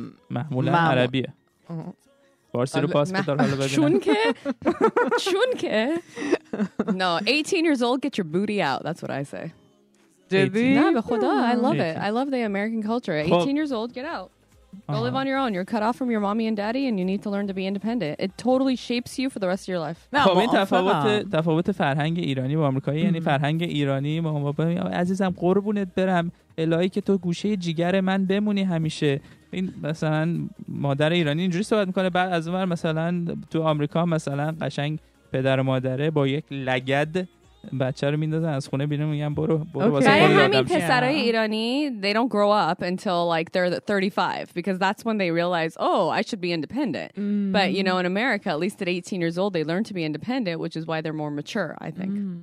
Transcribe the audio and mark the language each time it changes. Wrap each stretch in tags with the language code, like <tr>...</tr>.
<fa>معمولا عربیه، فارسی رو پاس بدار حالا ببینم. چون که</fa> <en>No, 18 years old, get your booty out, that's what I say.</en> <fa>جدی؟ نه به خدا،</fa> <en>I love it, I love the American culture. 18 years old, get out. Go live on your own. You're cut off from your mommy and daddy and you need to learn to be independent. It totally shapes you for the rest of your life.</en> <fa>خب این تفاوت فرهنگ ایرانی با آمریکایی، یعنی فرهنگ ایرانی با آمریکایی، عزیزم قربونت برم، الهی که تو گوشه جگر من بمونی همیشه. این مثلا مادر ایرانی اینجوری صحبت میکنه، بعد از اون مثلا تو آمریکا مثلا قشنگ پدر و مادره با یک لگد بچه رو میندازن از خونه بیرون، میگن برو واسه خودت. همین پسرای ایرانی</fa> <en>they don't grow up until like they're 35 because that's when they realize oh I should be independent. But you know in America at least at 18 years old they learn to be independent, which is why they're more mature, I think.</en>